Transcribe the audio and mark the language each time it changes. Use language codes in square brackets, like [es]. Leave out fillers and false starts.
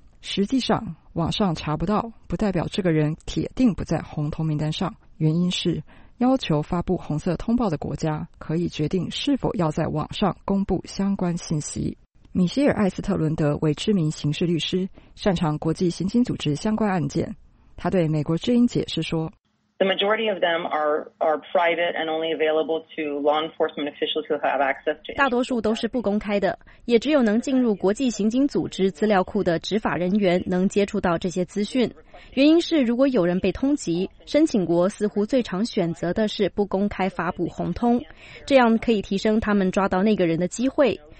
[zh] 实际上，网上查不到不代表这个人铁定不在红通名单上，原因是要求发布红色通报的国家可以决定是否要在网上公布相关信息。米歇尔·艾斯特伦德为知名刑事律师，擅长国际刑警组织相关案件。他对美国之音解释说 [en] ：“The majority of them are private and only available to law enforcement officials who have access to. [zh] 大多数都是不公开的，也只有能进入国际刑警组织资料库的执法人员能接触到这些资讯。原因是，如果有人被通缉，申请国似乎最常选择的是不公开发布红通，这样可以提升他们抓到那个人的机会。”